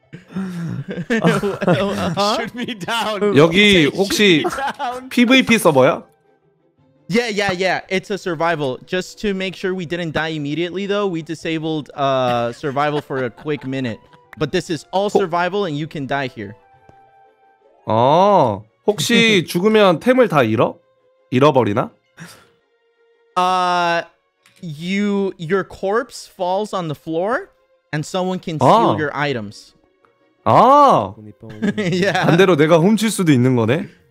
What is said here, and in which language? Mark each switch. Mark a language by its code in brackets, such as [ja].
[en] Shoot me down. [ko] 여기 혹시 PVP 서버야? [en] Yeah. It's a survival. Just to make sure we didn't die immediately though, we disabled survival for a quick minute. But this is all survival and you can die here. Oh. [ko] 혹시 죽으면 템을 다 잃어? 잃어버리나? [en] Your corpse falls on the floor and someone can steal your items. [ko] 아. [en] yeah. [ko] 반대로 내가 훔칠 수도 있는 거네?